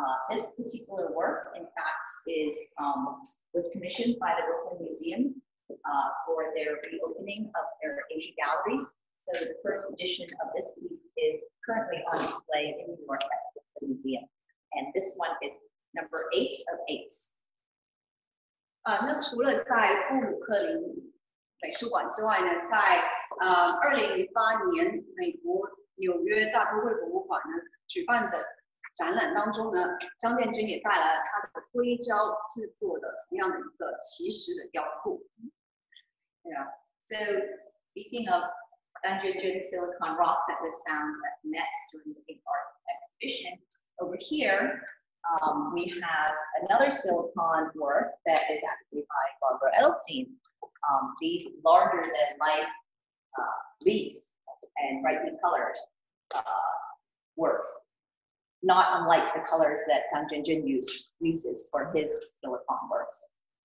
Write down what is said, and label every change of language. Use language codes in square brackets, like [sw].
[en] This particular work, in fact, was commissioned by the Brooklyn Museum for their reopening of their Asian galleries. So the first edition of this piece is currently on display in New York at the museum. And this one is number 8 of 8. [zh] 那除了在布鲁克林美术馆之外呢，在2008年美国纽约大都会博物馆呢举办的展览当中呢，张建军也带来了他的硅胶制作的同样的一个奇石的雕塑。 [en] Yeah. So speaking of Zhang Jianjing's silicon rock that was found at Metz during the big art exhibition, over here we have another silicon work that is actually by Barbara Edelstein. These larger than life leaves and brightly colored works, not unlike the colors that Zhang Jianjing uses for his silicon works.